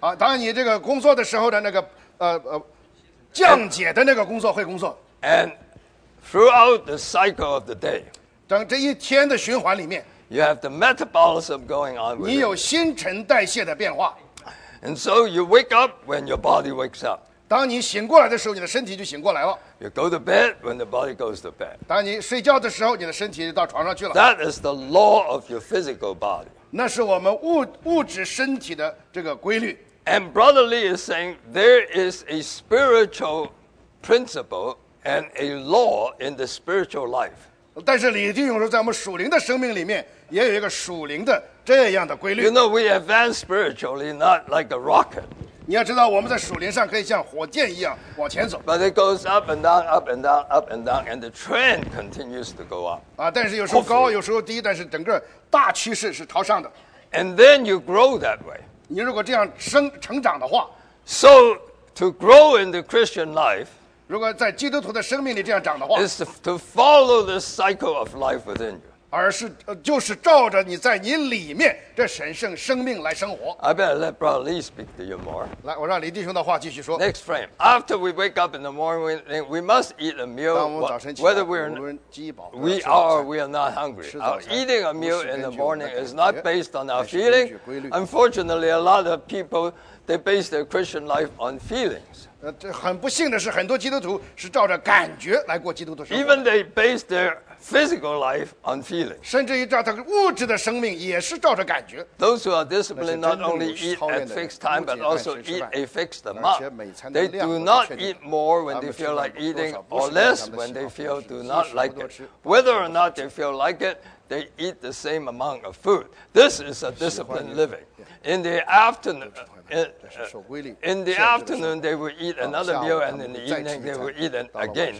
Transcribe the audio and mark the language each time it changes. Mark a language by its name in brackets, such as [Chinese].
[Chinese] 当你这个工作的时候的那个降解的那个工作会工作。 [English] And throughout the cycle of the day. [Chinese] 整这一天的循环里面， [English] you have the metabolism going on. [Chinese] 你有新陈代谢的变化。 [English] And so you wake up when your body wakes up. [Chinese] 当你醒过来的时候，你的身体就醒过来了。 [English] You go to bed when the body goes to bed. [Chinese] 当你睡觉的时候，你的身体就到床上去了。 [English] That is the law of your physical body. [Chinese] 那是我们物质身体的这个规律。 [English] And Brother Lee is saying there is a spiritual principle and a law in the spiritual life. [Chinese] 但是李弟兄说，在我们属灵的生命里面，也有一个属灵的这样的规律。 [English] You know, we advance spiritually not like a rocket. [Chinese] 你要知道，我们在属灵上可以像火箭一样往前走。 [English] But it goes up and down, up and down, up and down, and the trend continues to go up. [Chinese] 但是有时候高，有时候低，但是整个大趋势是朝上的。 [English] And then you grow that way. [Chinese] 你如果这样成长的话， [English] So to grow in the Christian life. [Chinese] 如果在基督徒的生命里这样长的话， [English] is to follow the cycle of life within you. [Chinese] 而是就是照着你在你里面这神圣生命来生活。 [English] I better let Brother Lee speak to you more. [Chinese] 来，我让李弟兄的话继续说。 [English] Next frame. After we wake up in the morning, we must eat a meal. [Chinese] 当我们早晨起来， [English] whether we are not hungry. Our eating a meal in the morning is not based on our feeling. Unfortunately, a lot of people, they base their Christian life on feelings. [Chinese] 很不幸的是，很多基督徒是照着感觉来过基督徒生活。 [English] Even they base their physical life on feeling. [Chinese] 甚至于照他物质的生命也是照着感觉。 [English] Those who are disciplined not only eat at fixed time, but also eat a fixed amount. They do not eat more when they feel like eating or less when they feel do not like it. Whether or not they feel like it, they eat the same amount of food. This is a disciplined living. In the afternoon,In the afternoon, they will eat another meal, and in the evening, they will eat again.